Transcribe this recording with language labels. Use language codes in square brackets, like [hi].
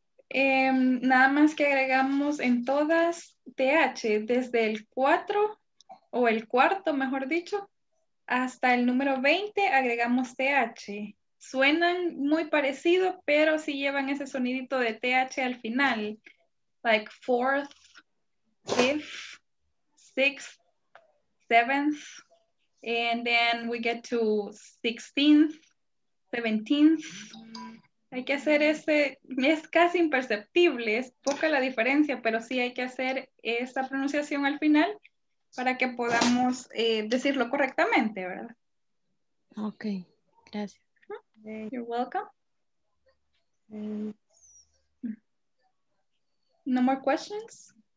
[es] Nada más que agregamos en todas TH, desde el 4 o el cuarto, mejor dicho, hasta el número 20 agregamos TH. Suenan muy parecido, pero sí llevan ese sonidito de TH al final. [en] Like 4th, 5th, 6th, 7th, and then we get to 16th, 17th. [es] Hay que hacer ese, es casi imperceptible, es poca la diferencia, pero sí hay que hacer esta pronunciación al final para que podamos decirlo correctamente, ¿verdad? Ok, gracias. [en] You're welcome. No more questions?